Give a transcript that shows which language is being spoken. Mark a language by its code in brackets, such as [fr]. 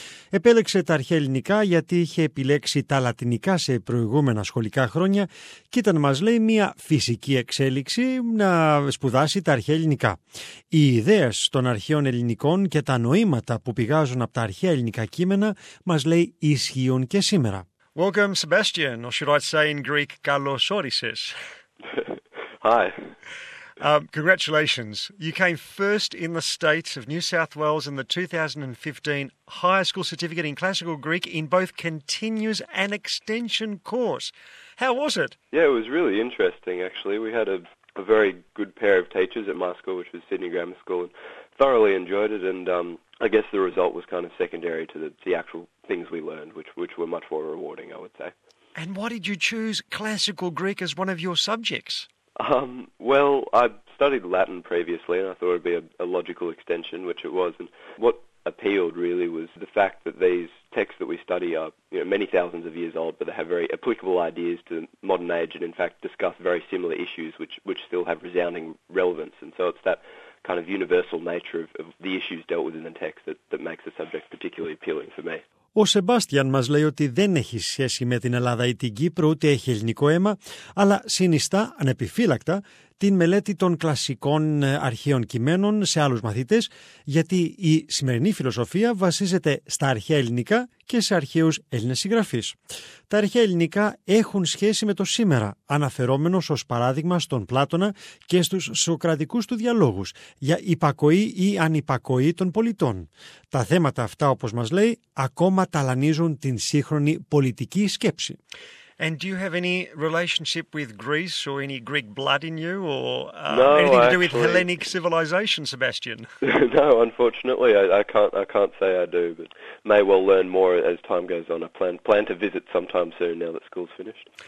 [el] Επέλεξε τα αρχαία ελληνικά γιατί είχε επιλέξει τα λατινικά σε προηγούμενα σχολικά χρόνια και ήταν, μας λέει, μια φυσική εξέλιξη να σπουδάσει τα αρχαία ελληνικά. Οι ιδέες των αρχαίων ελληνικών και τα νοήματα που πηγάζουν από τα αρχαία ελληνικά κείμενα, μας λέει, ισχύουν και σήμερα. [en] Welcome, Sebastian. Or should I say in Greek, [el] καλώς όρισες. [en] Hi. Congratulations. You came first in the states of New South Wales in the 2015 Higher School Certificate in Classical Greek in both continuous and extension course. How was it? Yeah, it was really interesting, actually. We had a very good pair of teachers at my school, which was Sydney Grammar School, and thoroughly enjoyed it, and I guess the result was kind of secondary to the actual things we learned, which were much more rewarding, I would say. And why did you choose Classical Greek as one of your subjects? Well, I studied Latin previously and I thought it would be a logical extension, which it was. And what appealed really was the fact that these texts that we study are, you know, many thousands of years old, but they have very applicable ideas to modern age and in fact discuss very similar issues which still have resounding relevance. And so it's that kind of universal nature of the issues dealt with in the text that makes the subject particularly appealing for me. [el] Ο Σεμπάστιαν μας λέει ότι δεν έχει σχέση με την Ελλάδα ή την Κύπρο, ούτε έχει ελληνικό αίμα, αλλά συνιστά, ανεπιφύλακτα, την μελέτη των κλασικών αρχαίων κειμένων σε άλλους μαθητές, γιατί η σημερινή φιλοσοφία βασίζεται στα αρχαία ελληνικά και σε αρχαίους Έλληνες συγγραφείς. Τα αρχαία ελληνικά έχουν σχέση με το σήμερα, αναφερόμενος ως παράδειγμα στον Πλάτωνα και στους σοκρατικούς του διαλόγους για υπακοή ή ανυπακοή των πολιτών. Τα θέματα αυτά, όπως μας λέει, ακόμα ταλανίζουν την σύγχρονη πολιτική σκέψη. [en] And do you have any relationship with Greece or any Greek blood in you or no, anything to actually, do with Hellenic civilization, Sebastian? No, unfortunately, I can't say I do, but may well learn more as time goes on. I plan to visit sometime soon now that school's finished.